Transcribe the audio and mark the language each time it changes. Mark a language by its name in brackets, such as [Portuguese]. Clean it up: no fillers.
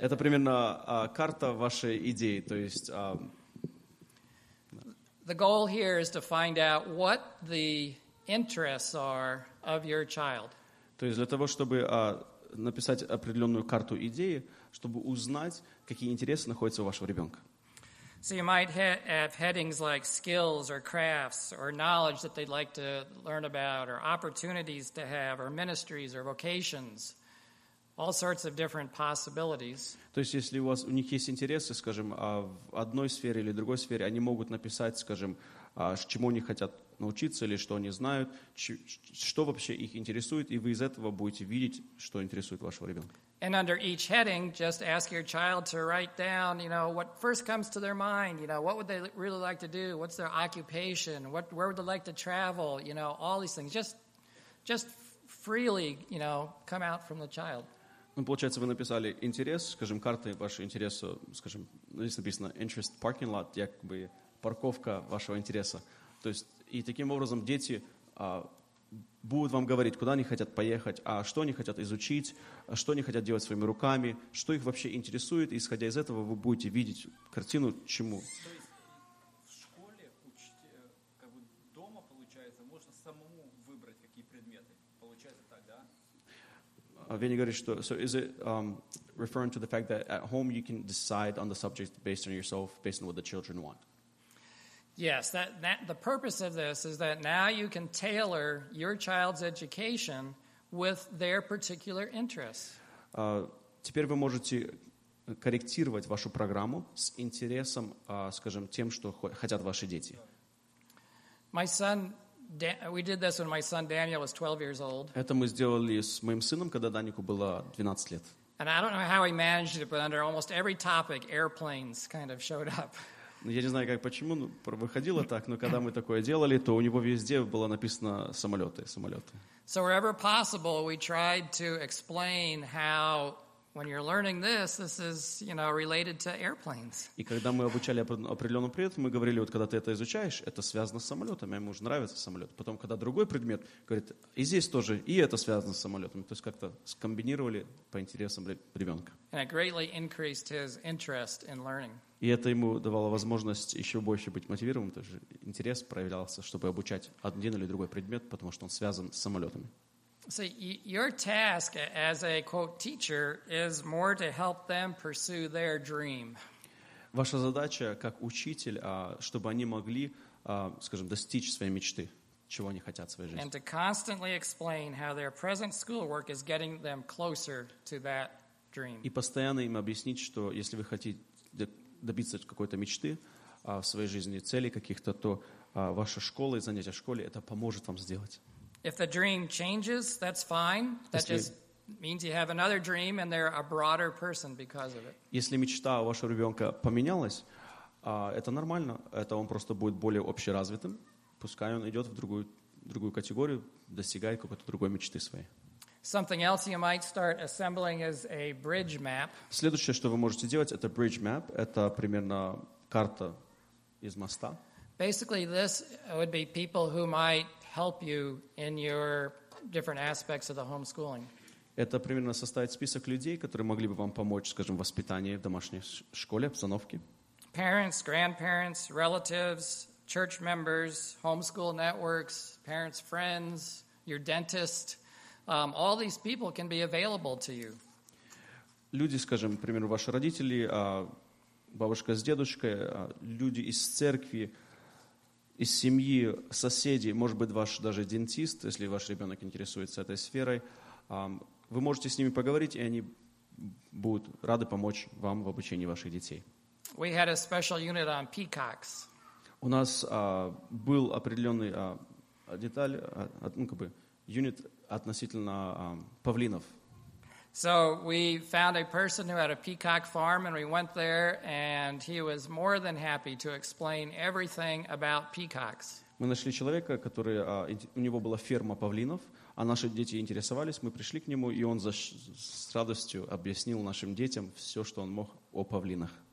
[Russian] Это примерно карта вашей идеи, то есть [English] The goal here is to find out what the interests are of your child. [Russian] То есть для того, чтобы написать определенную карту идеи, чтобы узнать, какие интересы находятся у вашего ребенка. [English] So you might have headings like skills or crafts or knowledge that they'd like to learn about or opportunities to have or ministries or vocations, all sorts of different possibilities. [Russian] То есть если у вас у них есть интересы, скажем, в одной сфере или другой сфере, они могут написать, скажем, чему они хотят научиться или что они знают, что вообще их интересует, и вы из этого будете видеть, что интересует вашего ребенка. [English] And under each heading, just ask your child to write down, you know, what first comes to their mind, you know, what would they really like to do, what's their occupation, where would they like to travel, you know, all these things. Just freely, you know, come out from the child. [Russian] Ну, получается, вы написали интерес, скажем, карты вашего интереса, скажем, здесь написано [English] interest parking lot, [Russian] якобы парковка вашего интереса. То есть, и таким образом дети... будут вам говорить, куда они хотят поехать, а что они хотят изучить, что они хотят делать своими руками, что их вообще интересует. И, исходя из этого, вы будете видеть картину, чему. То есть в школе, как бы дома, получается, можно самому выбрать, какие предметы. Получается так, да? Веня говорит, что... [English] So is it referring to the fact that at home you can decide on the subject based on yourself, based on what the children want? Yes, that the purpose of this is that now you can tailor your child's education with their particular interests. [Russian] Теперь вы можете корректировать вашу программу с интересом, скажем, тем, что хотят ваши дети. [English] My son, we did this when my son Daniel was 12 years old. [Russian] Это мы сделали с моим сыном, когда Данику было 12 лет. [English] And I don't know how he managed it, but under almost every topic, airplanes kind of showed up. [Russian] Я не знаю, как почему, но выходило так, но когда мы такое делали, то у него везде было написано самолеты. [English] So wherever possible, we tried to explain how when you're learning this, this is, you know, related to airplanes. [Russian] И когда мы обучали определенный предмет, мы говорили, вот когда ты это изучаешь, это связано с самолетами, ему уже нравится самолет. Потом, когда другой предмет, говорит, и здесь тоже, и это связано с самолетами. То есть как-то скомбинировали по интересам ребенка. [English] And it greatly increased his interest in learning. [Russian] И это ему давало возможность еще больше быть мотивированным, тоже интерес проявлялся, чтобы обучать один или другой предмет, потому что он связан с самолетами. [English] So your task as a quote teacher is more to help them pursue their dream. [Russian] Ваша задача как учитель, чтобы они могли, скажем, достичь своей мечты, чего они хотят в своей жизни. [English] And to constantly explain how their present schoolwork is getting them closer to that dream. [Russian] И постоянно им объяснить, что если вы хотите добиться какой-то мечты в своей жизни, цели каких-то, то ваша школа и занятия в школе это поможет вам сделать. [English] If the dream changes, that's fine. That just means you have another dream and they're a broader person because of it. [Russian] Если мечта у вашего ребенка поменялась, это нормально. Это он просто будет более общеразвитым. Пускай он идет в другую категорию, достигает какой-то другой мечты своей. [English] Something else you might start assembling is a bridge map. [Russian] Следующее, что вы можете делать, это bridge map. Это примерно карта из моста. [English] Basically, this would be people who might help you in your different aspects of the homeschooling. [Russian] Это примерно составить список людей, которые могли бы вам помочь, скажем, в воспитании в домашней школе, обстановке. [English] Parents, grandparents, relatives, church members, homeschool networks, parents, friends, your dentist, all these people can be available to you. [Russian] Люди, скажем, например, ваши родители, бабушка с дедушкой, люди из церкви, из семьи, соседи, может быть, ваш даже дентист, если ваш ребенок интересуется этой сферой, вы можете с ними поговорить, и они будут рады помочь вам в обучении ваших детей. [English] We had a special unit on peacocks. [Russian] У нас был определенный деталь, ну, как бы, юнит относительно павлинов. [English] So we found a person who had a peacock farm and we went there and he was more than happy to explain everything about peacocks. [Russian] Мы нашли человека, который у него была ферма павлинов, а наши дети интересовались, мы пришли к нему, и он с радостью объяснил нашим детям все, что он мог о павлинах.